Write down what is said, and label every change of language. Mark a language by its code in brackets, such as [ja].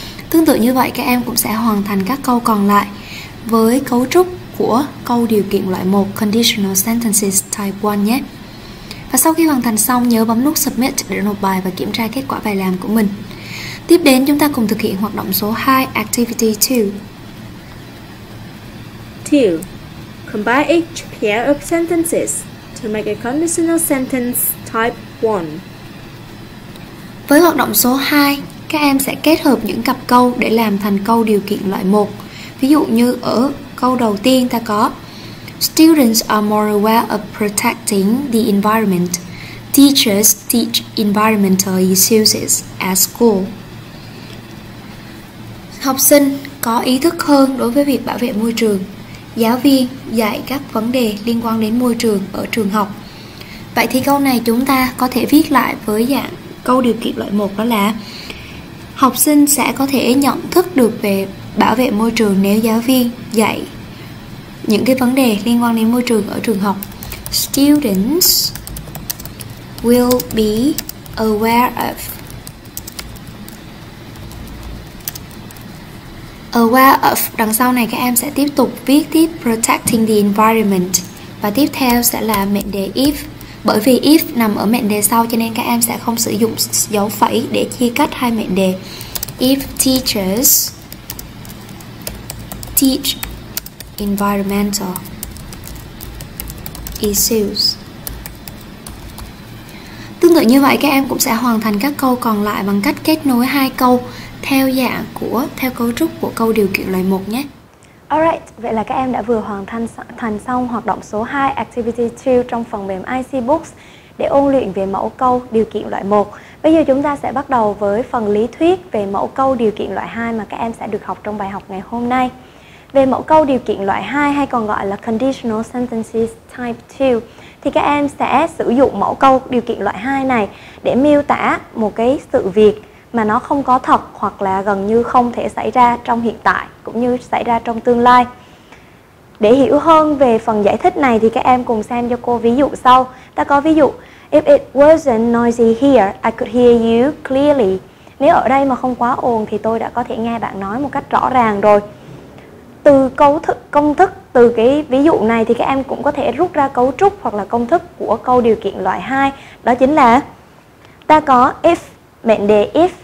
[vi] Tương tự như vậy, các em cũng sẽ hoàn thành các câu còn lại với cấu trúc của câu điều kiện loại 1, Conditional Sentences Type 1 nhé. Và sau khi hoàn thành xong, nhớ bấm nút Submit để nộp bài và kiểm tra kết quả bài làm của mình. Tiếp đến, chúng ta cùng thực hiện hoạt động số 2, Activity 2. 2. [en] Combine each pair of sentences to make a Conditional Sentence Type 1. [vi] Với hoạt động số 2, các em sẽ kết hợp những cặp câu để làm thành câu điều kiện loại 1. Ví dụ như ở câu đầu tiên ta có [en] Students are more aware of protecting the environment. Teachers teach environmental issues at school. [vi] Học sinh có ý thức hơn đối với việc bảo vệ môi trường. Giáo viên dạy các vấn đề liên quan đến môi trường ở trường học. Vậy thì câu này chúng ta có thể viết lại với dạng câu điều kiện loại 1, đó là học sinh sẽ có thể nhận thức được về bảo vệ môi trường nếu giáo viên dạy những cái vấn đề liên quan đến môi trường ở trường học. [en] Students will be aware of. [vi] Aware of, đằng sau này các em sẽ tiếp tục viết tiếp [en] protecting the environment. [vi] Và tiếp theo sẽ là mệnh đề if. Bởi vì if nằm ở mệnh đề sau cho nên các em sẽ không sử dụng dấu phẩy để chia cắt hai mệnh đề. [en] If teachers teach environmental issues. [vi] Tương tự như vậy, các em cũng sẽ hoàn thành các câu còn lại bằng cách kết nối hai câu theo dạng của, theo cấu trúc của câu điều kiện loại 1 nhé. Alright, vậy là các em đã vừa hoàn thành xong hoạt động số 2, Activity 2 trong phần mềm IC Books để ôn luyện về mẫu câu điều kiện loại 1. Bây giờ chúng ta sẽ bắt đầu với phần lý thuyết về mẫu câu điều kiện loại 2 mà các em sẽ được học trong bài học ngày hôm nay. Về mẫu câu điều kiện loại 2 hay còn gọi là Conditional Sentences Type 2 thì các em sẽ sử dụng mẫu câu điều kiện loại 2 này để miêu tả một cái sự việc mà nó không có thật hoặc là gần như không thể xảy ra trong hiện tại cũng như xảy ra trong tương lai. Để hiểu hơn về phần giải thích này thì các em cùng xem cho cô ví dụ sau. Ta có ví dụ: [en] If it wasn't noisy here, I could hear you clearly. [vi] Nếu ở đây mà không quá ồn thì tôi đã có thể nghe bạn nói một cách rõ ràng rồi. Từ công thức từ cái ví dụ này thì các em cũng có thể rút ra cấu trúc hoặc là công thức của câu điều kiện loại 2, đó chính là ta có if, mệnh đề if.